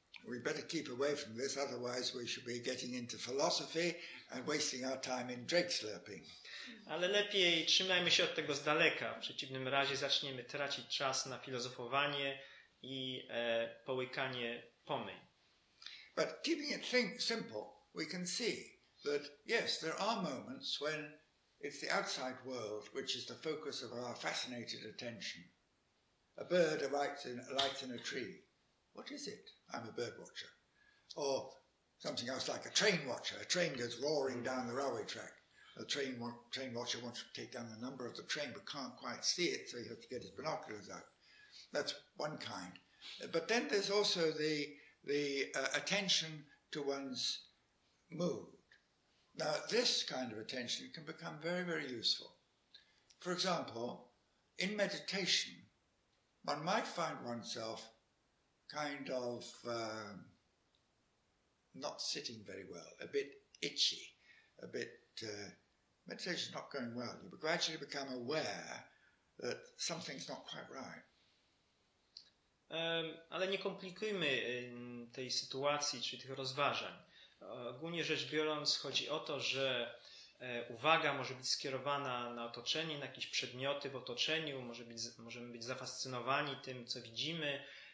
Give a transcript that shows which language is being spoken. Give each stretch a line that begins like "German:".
English: We better keep away from this, otherwise we should be getting into philosophy and wasting our time in drink slurping.
Polish: Ale lepiej trzymajmy się od tego z daleka. W przeciwnym razie zaczniemy tracić czas na filozofowanie i połykanie pomyj.
English: But keeping it simple, we can see that yes, there are moments when it's the outside world which is the focus of our fascinated attention. A bird alights in a tree. What is it? I'm a bird watcher. Or something else like a train watcher. A train goes roaring down the railway track. A train watcher wants to take down the number of the train but can't quite see it, so he has to get his binoculars out. That's one kind. But then there's also the attention to one's mood. Now, this kind of attention can become very, very useful. For example, in meditation, one might find oneself kind of not sitting very well, a bit itchy, a bit meditation's not going well. You gradually become aware that something's not quite right.
Polish: Ale nie komplikujmy tej sytuacji czy tych rozważań. Ogólnie rzecz biorąc, chodzi o to, że uwaga może być skierowana na otoczenie, na jakieś przedmioty w otoczeniu, możemy być zafascynowani tym, co widzimy.